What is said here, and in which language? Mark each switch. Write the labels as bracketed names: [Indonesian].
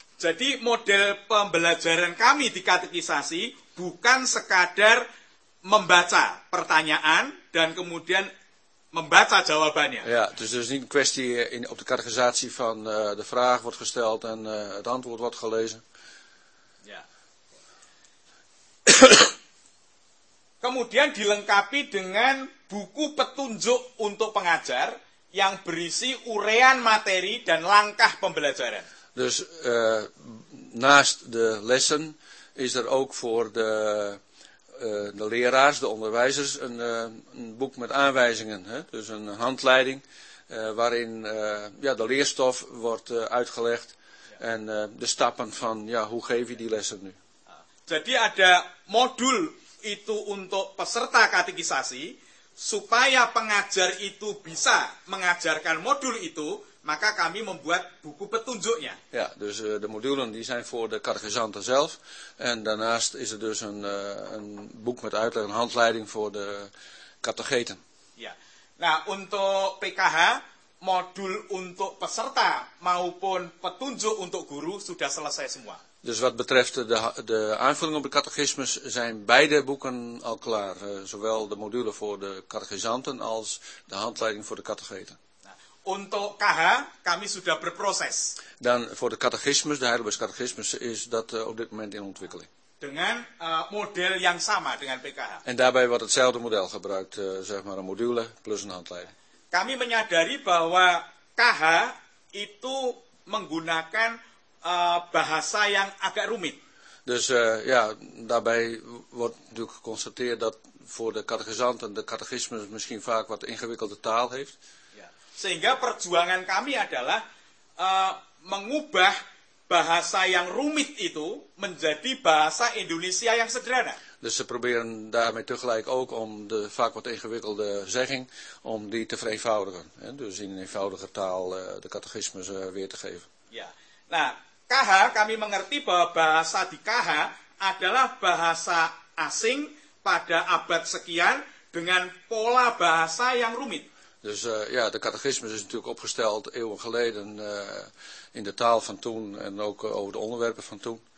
[Indonesian] Jadi model pembelajaran kami di katekisasi bukan sekadar membaca pertanyaan dan kemudian membaca jawabannya. [Dutch] Ya, dus het is niet een kwestie in op de catechisatie van de vraag wordt gesteld en het antwoord wordt gelezen. [Indonesian] Ya. Kemudian dilengkapi dengan buku petunjuk untuk pengajar yang berisi uraian materi dan langkah pembelajaran. [Dutch] Dus naast de lessen is er ook voor de leraars, de onderwijzers, een boek met aanwijzingen. Hè? Dus een handleiding waarin ja, de leerstof wordt uitgelegd en de stappen van ja, hoe geef je die lessen nu. [Indonesian] Jadi ada modul itu untuk peserta katekisasi, supaya pengajar itu bisa mengajarkan modul itu, maka kami membuat buku petunjuknya. [Dutch] Ja, dus de modulen die zijn voor de catechisanten zelf. En daarnaast is er dus een boek met uitleg, een handleiding voor de catecheten. [Indonesian] Ja. Nah, untuk PKH, modul untuk peserta maupun petunjuk untuk guru sudah selesai semua. [Dutch] Dus wat betreft de aanvulling op de catechismus zijn beide boeken al klaar. Zowel de module voor de catechisanten als de handleiding voor de catecheten. [Indonesian] Untuk KH kami sudah berproses. [Dutch] Dan voor de catechismus, de Heidelbergse catechismus is dat op dit moment in ontwikkeling. [Indonesian] Dengan model yang sama dengan PKH. [Dutch] En daarbij wordt hetzelfde model gebruikt, zeg maar een module plus een handleiding. [Indonesian] Kami menyadari bahwa KH itu menggunakan bahasa yang agak rumit. [Dutch] Dus ja, daarbij wordt natuurlijk geconstateerd dat voor de catechisanten de catechismus misschien vaak wat ingewikkelde taal heeft. [Indonesian] Sehingga perjuangan kami adalah mengubah bahasa yang rumit itu menjadi bahasa Indonesia yang sederhana. [Dutch] Dus ze proberen daarmee tegelijk ook om de vaak wat ingewikkelde zegging, om die te vereenvoudigen. Hè? Dus in een eenvoudige taal de catechismus weer te geven. Ja. [Indonesian] Nah, KH kami mengerti bahwa bahasa di KH adalah bahasa asing pada abad sekian dengan pola bahasa yang rumit. [Dutch] Dus ja, de catechismus is natuurlijk opgesteld eeuwen geleden in de taal van toen en ook over de onderwerpen van toen.